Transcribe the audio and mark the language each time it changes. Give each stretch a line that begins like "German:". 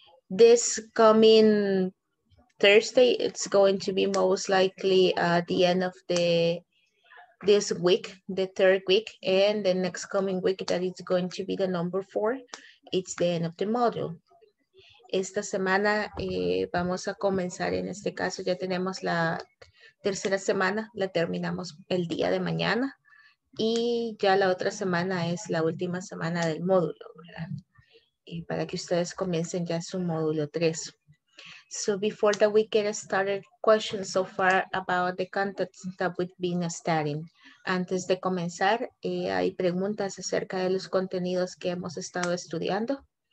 English: This coming Thursday, it's going to be most likely the end of this week, the third week, and the next coming week, that is going to be the number 4. It's the end of the module.
Spanish: Esta semana vamos a comenzar, en este caso ya tenemos la tercera semana, la terminamos el día de mañana, y ya la otra semana es la última semana del módulo, ¿verdad? Y para que ustedes comiencen ya su módulo 3.
English: So before that we get started, questions so far about the contents that we've been studying.
Spanish: Antes de comenzar, hay preguntas acerca de los contenidos que hemos estado estudiando.